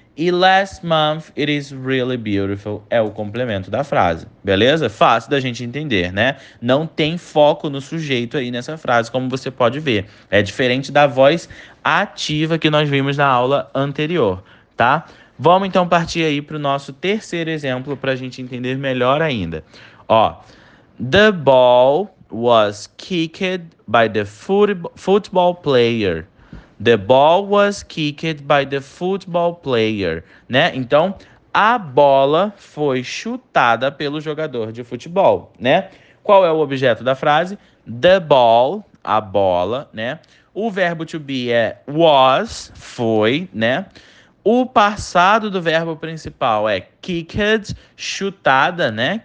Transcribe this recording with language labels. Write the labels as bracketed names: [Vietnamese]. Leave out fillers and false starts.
[Portuguese] E [English] last month it is really beautiful [Portuguese] é o complemento da frase, beleza? Fácil da gente entender, né? Não tem foco no sujeito aí nessa frase, como você pode ver. É diferente da voz ativa que nós vimos na aula anterior, tá? Vamos então partir aí para o nosso terceiro exemplo para a gente entender melhor ainda. Ó, [English] the ball was kicked by the football player. The ball was kicked by the football player, [Portuguese] né? Então, a bola foi chutada pelo jogador de futebol, né? Qual é o objeto da frase? [English] The ball, [Portuguese] a bola, né? O verbo to be é was, foi, né? O passado do verbo principal é kicked, chutada, né?